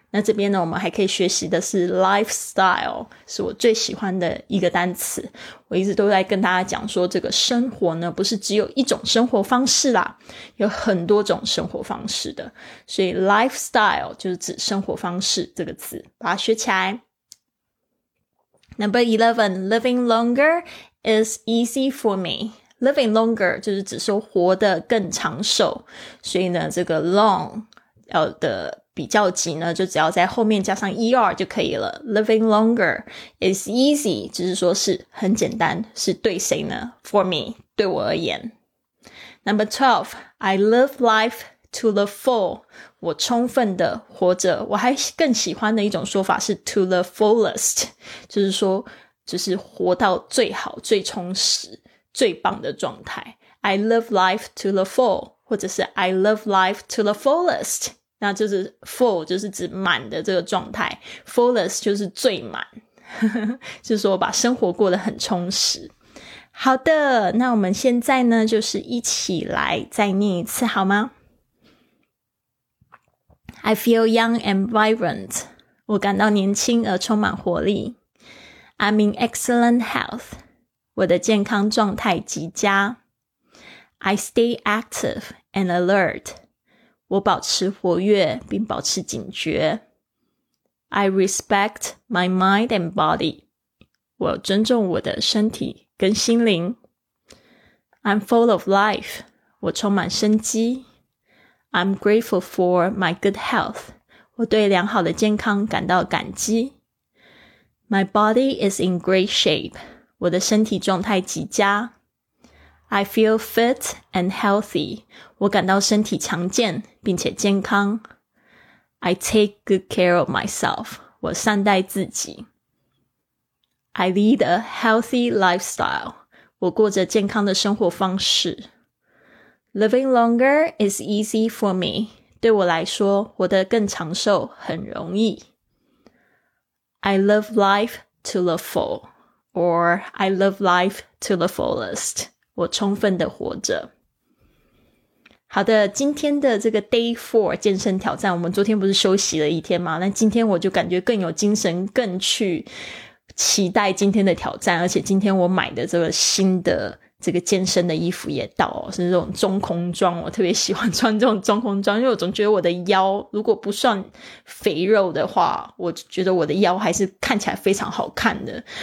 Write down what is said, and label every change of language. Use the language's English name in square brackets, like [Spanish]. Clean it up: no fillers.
[Chinese] 那这边呢我们还可以学习的是 lifestyle， 是我最喜欢的一个单词。我一直都在跟大家讲说这个生活呢不是只有一种生活方式啦，有很多种生活方式的，所以 lifestyle 就是指生活方式，这个词把它学起来。 [English] Number 11, living longer is easy for me. [Chinese] Living longer 就是指说活得更长寿，所以呢这个 long 的比较级呢就只要在后面加上 er 就可以了。 Living longer is easy 就是说是很简单，是对谁呢？ For me， 对我而言。 [English] Number 12, I live life to the full，我充分的活着。 [Chinese] 我还更喜欢的一种说法是 to the fullest， 就是说就是活到最好最充实最棒的状态。 I live life to the full，或或者是 I love life to the fullest，那就是 full 就是指满的这个状态， fullest 就是最满，就是说我把生活过得很充实。好的，那我们现在呢就是一起来再念一次好吗？ [English] I feel young and vibrant，我感到年轻而充满活力。 I'm in excellent health，我的健康状态极佳。 I stay active and alert，我保持活跃并保持警觉。 I respect my mind and body，我尊重我的身体跟心灵。 I'm full of life，我充满生机。 I'm grateful for my good health，我对良好的健康感到感激。 My body is in great shape，我的身体状态极佳。 I feel fit and healthy，我感到身体强健并且健康。 I take good care of myself，我善待自己。 I lead a healthy lifestyle，我过着健康的生活方式。 Living longer is easy for me，对我来说活得更长寿很容易。 I love life to the full， or I love life to the fullest，我充分地活着。 [Chinese] 好的，今天的这个 Day 4健身挑战，我们昨天不是休息了一天吗？那今天我就感觉更有精神，更去期待今天的挑战，而且今天我买的这个新的这个健身的衣服也到哦，是这种中空装，我特别喜欢穿这种中空装，因为我总觉得我的腰如果不算肥肉的话，我觉得我的腰还是看起来非常好看的。